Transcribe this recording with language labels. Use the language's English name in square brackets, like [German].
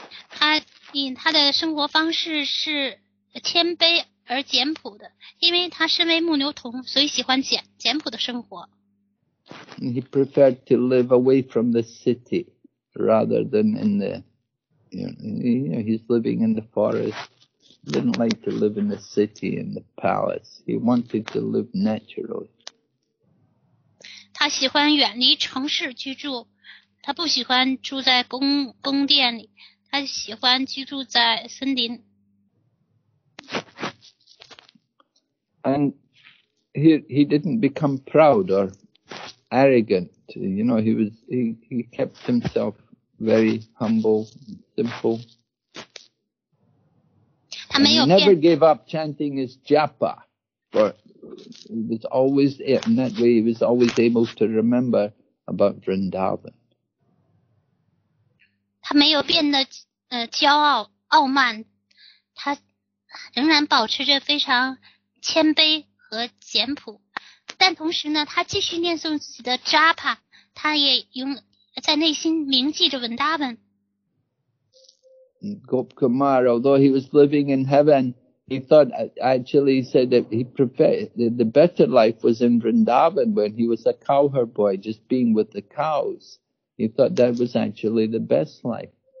[Chinese] 他以他的生活方式是谦卑而简朴的，因为他身为牧牛童，所以喜欢简朴的生活。 [English] And he preferred to live away from the city rather than in the, he's living in the forest. Didn't like to live in the city in the palace. He wanted to live naturally. [Chinese] 他喜欢远离城市居住，他不喜欢住在宫殿里，他喜欢居住在森林。 [English] And he didn't become proud or arrogant. You know, he kept himself very humble, simple. He never gave up chanting his japa, but he was always, in that way, he was always able to remember about Vrindavan. [Chinese] 他没有变得骄傲傲慢，他仍然保持着非常谦卑和简朴，但同时呢，他继续念诵自己的 japa, 他也在内心铭记着文达本。 [English] Gop Kumar, although he was living in heaven, he thought, actually he said that he preferred, the better life was in Vrindavan when he was a cowherd boy, just being with the cows. He thought that was actually the best life.